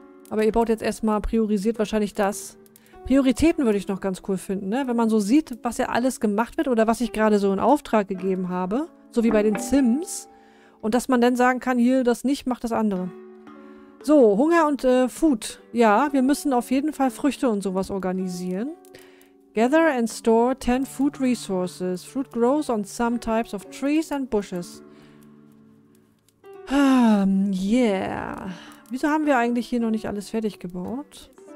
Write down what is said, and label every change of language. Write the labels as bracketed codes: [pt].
[de] Aber ihr baut jetzt erstmal priorisiert wahrscheinlich das. Prioritäten würde ich noch ganz cool finden, ne? Wenn man so sieht, was ja alles gemacht wird oder was ich gerade so in Auftrag gegeben habe, so wie bei den Sims. Und dass man dann sagen kann, hier das nicht, macht das andere. So, Hunger und Food. Ja, wir müssen auf jeden Fall Früchte und sowas organisieren. [en] Gather and store 10 food resources. Fruit grows on some types of trees and bushes. Yeah. [de] Wieso haben wir eigentlich hier noch nicht alles fertig gebaut?